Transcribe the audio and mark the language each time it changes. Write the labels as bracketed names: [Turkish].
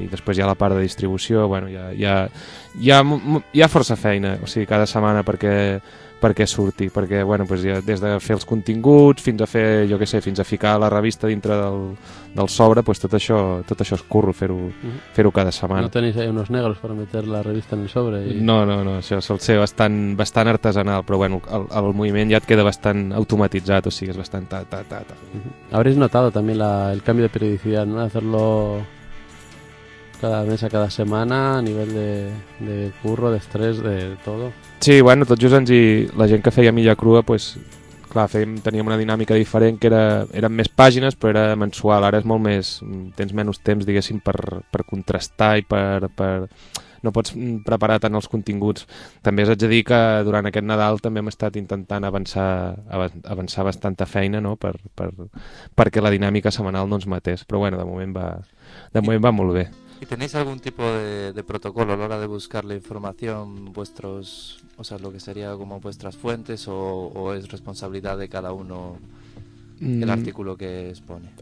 [Catalan] I després hi ha la part de distribució, bueno, hi ha força feina, o sigui, cada setmana perquè surti, perquè bueno, pues ja, des de fer els continguts fins a fer, jo què sé, fins a ficar la revista dintre del sobre, pues tot això és curro, fer-ho cada setmana. [Spanish] No tenis ahí unos negros per meter la revista en el sobre? [Catalan] I... No, això sol ser bastant artesanal, però bueno, el moviment ja et queda bastant automatitzat, o sigui, és bastant ta. [Spanish] Habréis notado también el cambio de periodicidad, ¿no? Hacerlo cada mes, [Catalan] a cada setmana, a nivell de curro, d'estrès, de todo. Sí, bueno, tot just ens hi... La gent que feia Milla Crua, pues, clar, teníem una dinàmica diferent, que eren més pàgines, però era mensual. Ara és molt més... Tens menys temps, diguéssim, per contrastar i per... No pots preparar tant els continguts. També s'haig de dir que durant aquest Nadal també hem estat intentant avançar bastanta feina, no? Perquè la dinàmica setmanal no ens matés. Però bueno, de moment va molt bé. [Spanish] ¿Y tenéis algún tipo de protocolo a la hora de buscar la información, o sea, lo que sería como vuestras fuentes, o es responsabilidad de cada uno el artículo que expone?